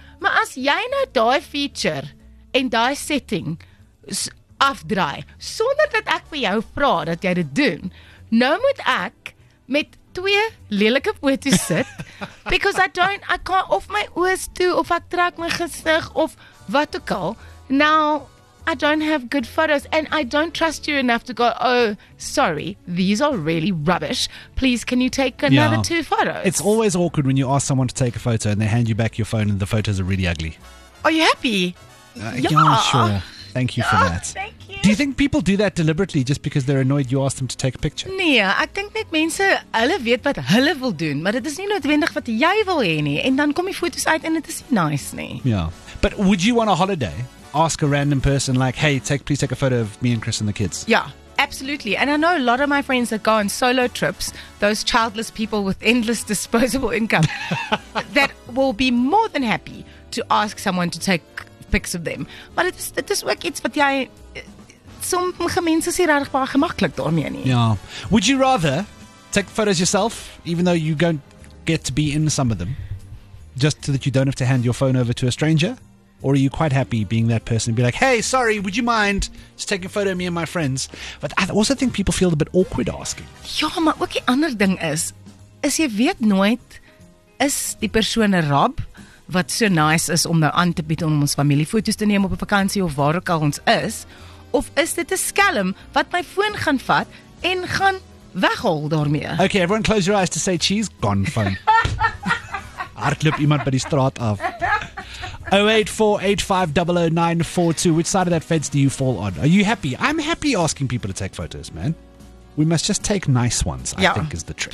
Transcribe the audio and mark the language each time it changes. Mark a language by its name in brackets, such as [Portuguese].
[Afrikaans] Maar as jy nou daai feature en daai setting afdraai, sonder dat ek vir jou vra dat jy dit doen, nou moet ek met twee lelike foto's sit, [English] because I can't, [Afrikaans] of my oors toe, of ek trek my gesig, of wat ook al, [English] now, I don't have good photos, and I don't trust you enough to go, oh, sorry, these are really rubbish, please can you take another two photos? It's always awkward when you ask someone to take a photo, and they hand you back your phone, and the photos are really ugly. Are you happy? Sure. Thank you for that. Thank you. Do you think people do that deliberately just because they're annoyed you asked them to take a picture? [Afrikaans] Nee, ek dink net mense, hulle weet wat hulle wil doen, maar dit is nie noodwendig wat jy wil hê nie. En dan kom die foto's uit en dit is nie nice nie. [English] Yeah. But would you on a holiday ask a random person like, hey, please take a photo of me and Chris and the kids? Yeah, absolutely. And I know a lot of my friends that go on solo trips, those childless people with endless disposable income, that will be more than happy to ask someone to take pics of them. But it is [Afrikaans] ook iets wat jy sommige mense is regtig baie gemaklik daarmee nie. [English] Yeah. Would you rather take photos yourself even though you don't get to be in some of them just so that you don't have to hand your phone over to a stranger, or are you quite happy being that person and be like, "Hey, sorry, would you mind just taking a photo of me and my friends?" But I also think people feel a bit awkward asking. [Afrikaans] Ja, maar ook die ander ding is jy weet nooit is die persoon 'n rab wat so nice is om nou aan te bied om ons familiefoto's te neem op 'n vakansie of waar ook al ons is, of is dit 'n skelm wat my foon gaan vat en gaan weghol daarmee? [English] Okay, everyone close your eyes to say cheese gone fun. [Afrikaans] Hardloop iemand by die straat af. [English] 0848500942, which side of that fence do you fall on? Are you happy? I'm happy asking people to take photos, man. We must just take nice ones, I think is the trick.